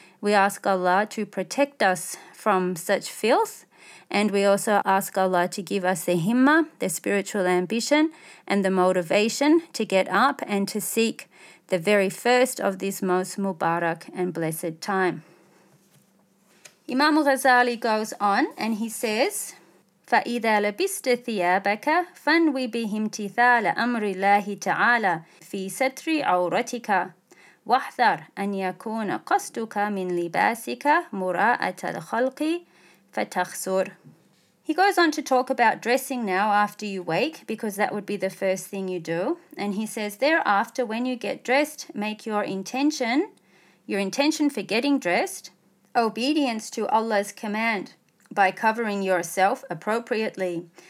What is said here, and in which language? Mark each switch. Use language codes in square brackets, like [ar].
[en] We ask Allah to protect us from such filth. And we also ask Allah to give us the himmah, the spiritual ambition, and the motivation to get up and to seek the very first of this most Mubarak and blessed time. Imam Ghazali goes on and he says, [ar] فَإِذَا لَبِسْتَ ثِيَابَكَ فَانْوِ بِهِمْتِثَالَ أَمْرِ اللَّهِ تَعَالَى فِي سَتْرِ عَوْرَتِكَ وَاحْذَرْ أَنْ يَكُونَ قَصْدُكَ مِنْ لِبَاسِكَ مُرَاءَةَ الْخَلْقِ فَتَخْسُرْ. [en] He goes on to talk about dressing now after you wake, because that would be the first thing you do. And he says, thereafter, when you get dressed, make your intention for getting dressed, obedience to Allah's command by covering yourself appropriately.